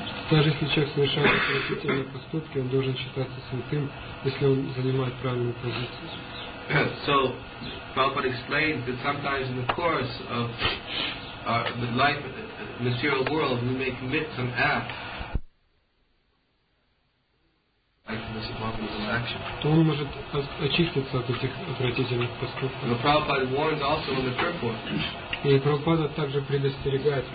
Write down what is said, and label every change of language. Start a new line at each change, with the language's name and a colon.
Russian: Даже если человек совершает отвратительные поступки, он должен считаться святым, если он занимает правильную позицию.
English: So, Prabhupada explained that sometimes in the course of the life of the material world, we may commit some act.
Russian: То он может очиститься от этих отвратительных поступков. И Прабхупада также предостерегает в